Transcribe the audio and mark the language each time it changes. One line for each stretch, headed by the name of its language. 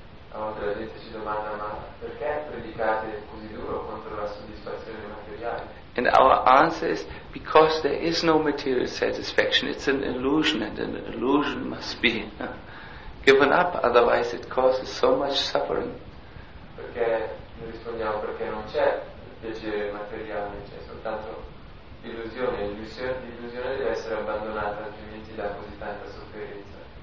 Italian: A volte la gente si domanda, ma perché predicate così duro contro la soddisfazione materiale?
English: And our answer is, because there is no material satisfaction, it's an illusion, and an illusion must be given up, otherwise it causes so much suffering.
Italian: Perché noi rispondiamo, perché non c'è piacere materiale, c'è soltanto illusione, l'illusione deve essere abbandonata, altrimenti dà così tanta sofferenza.